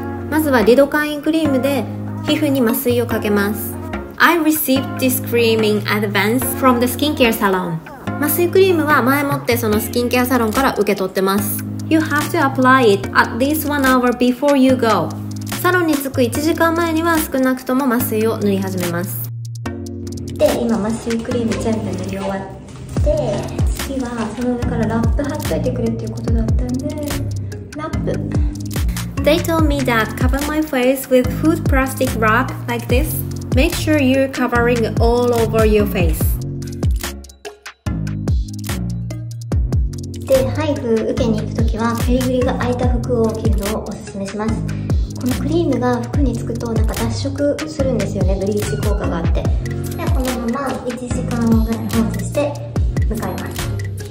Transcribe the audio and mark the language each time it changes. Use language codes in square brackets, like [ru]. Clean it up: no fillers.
[ja] まずはリドカインクリームで皮膚に麻酔をかけます。 [en] I received this cream in advance from the skincare salon. [ja] 麻酔クリームは前もってそのスキンケアサロンから受け取ってます。 [en] You have to apply it at least 1 hour before you go. [ja] サロンに着く1時間前には少なくとも麻酔を塗り始めます。で、今麻酔クリーム全部塗り終わって、次はその上からラップ貼っといてくれっていうことだったんで、ラップ。 [en] They told me that cover my face with food plastic wrap like this. Make sure you're covering all over your face. [ja] で、配布受けに行くときは、ペリグリが空いた服を着るのをおすすめします。このクリームが服につくとなんか脱色するんですよね、ブリーチ効果があって。で、このまま1時間ぐらい放置して向かいます。